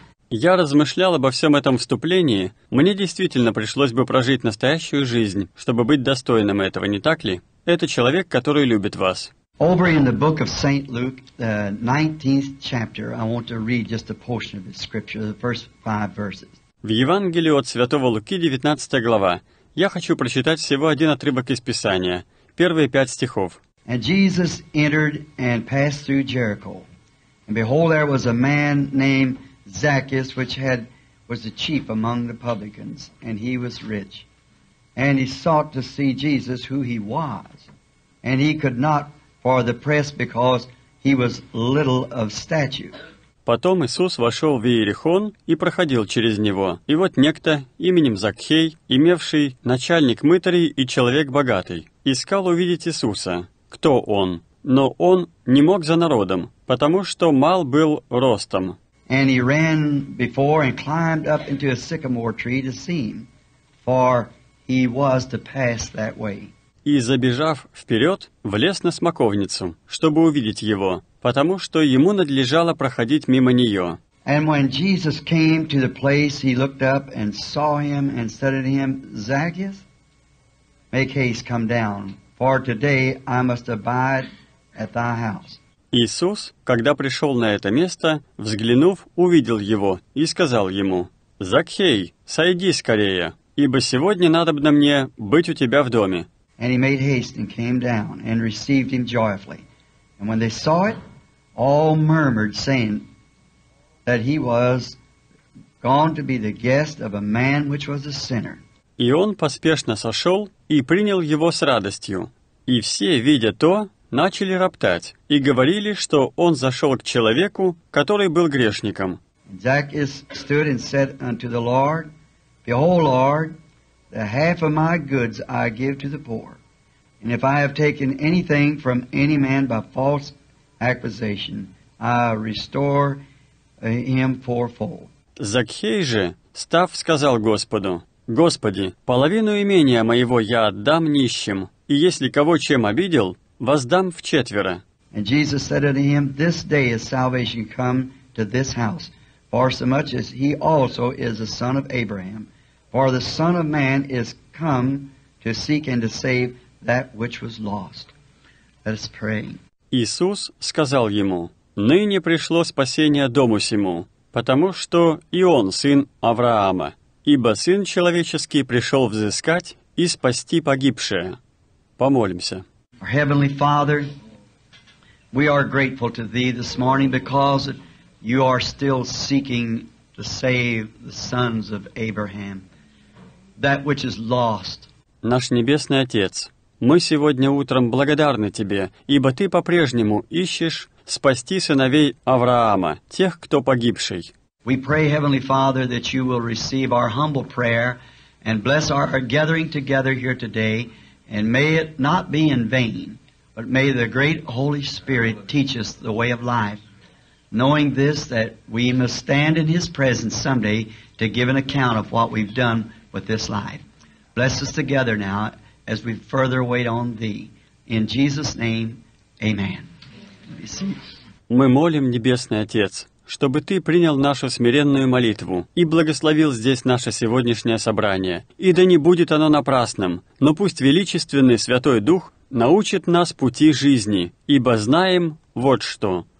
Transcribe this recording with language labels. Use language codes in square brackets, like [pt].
[ru] Я размышлял обо всем этом вступлении. Мне действительно пришлось бы прожить настоящую жизнь, чтобы быть достойным этого, не так ли? Это человек, который любит вас. [en] Over in the book of St. Luke, the 19th chapter, I want to read just a portion of the scripture, the first five verses. [ru] В Евангелии от Святого Луки, 19 глава, я хочу прочитать всего один отрывок из Писания, первые пять стихов. [en] And Jesus entered and passed through Jericho. And behold, there was a man named Zacchaeus, which was the chief among the publicans, and he was rich. And he sought to see Jesus, who he was, and he could not for the press, because he was little of stature. [ru] Потом Иисус вошел в Иерихон и проходил через него. И вот некто, именем Закхей, имевший начальник мытарей и человек богатый, искал увидеть Иисуса. Кто он? Но он не мог за народом, потому что мал был ростом. [en] And he ran before and climbed up into a sycamore tree to see him, for he was to pass that way. [ru] И, забежав вперед, влез на смоковницу, чтобы увидеть его, потому что ему надлежало проходить мимо нее. [en] And when Jesus came to the place, he looked up and saw him and said to him, Zacchaeus, make haste, come down, for today I must abide at thy house. [ru] Иисус, когда пришел на это место, взглянув, увидел его и сказал ему, Закхей, сойди скорее, ибо сегодня надобно мне быть у тебя в доме. [en] And he made haste and came down and received him joyfully. And when they saw it, all murmured, saying that he was gone to be the guest of a man which was a sinner. [ru] И он поспешно сошел и принял его с радостью. И все, видя то, начали роптать и говорили, что он зашел к человеку, который был грешником. [en] Zacchaeus stood and said unto the Lord, Behold, Lord, the half of my goods I give to the poor. And if I have taken anything from any man by false accusation, I restore him fourfold. [ru] Закхей же, став, сказал Господу, Господи, половину имения моего я отдам нищим, и если кого чем обидел, воздам вчетверо. [en] And Jesus said unto him, This day is salvation come to this house, for so much as he also is a son of Abraham. For the Son of Man is come to seek and to save that which was lost. Let us pray. [ru] Иисус сказал ему, «Ныне пришло спасение дому сему, потому что и он сын Авраама, ибо Сын Человеческий пришел взыскать и спасти погибшее». Помолимся. [en] Our Heavenly Father, we are grateful to Thee this morning because You are still seeking to save the sons of Abraham. That which is lost. [ru] Наш Небесный Отец, мы сегодня утром благодарны Тебе, ибо Ты по-прежнему ищешь спасти сыновей Авраама, тех, кто погибший. [en] We pray, Heavenly Father, that You will receive our humble prayer and bless our gathering together here today, and may it not be in vain, but may the great Holy Spirit teach us the way of life, knowing this, that we must stand in His presence someday to give an account of what we've done with this life. Bless us together now as we further wait on Thee. In Jesus' name, Amen. [ru] Мы молим, Небесный Отец, чтобы Ты принял нашу смиренную молитву и благословил здесь наше сегодняшнее собрание. И да не будет оно напрасным, но пусть Величественный Святой Дух научит нас пути жизни, ибо знаем вот что.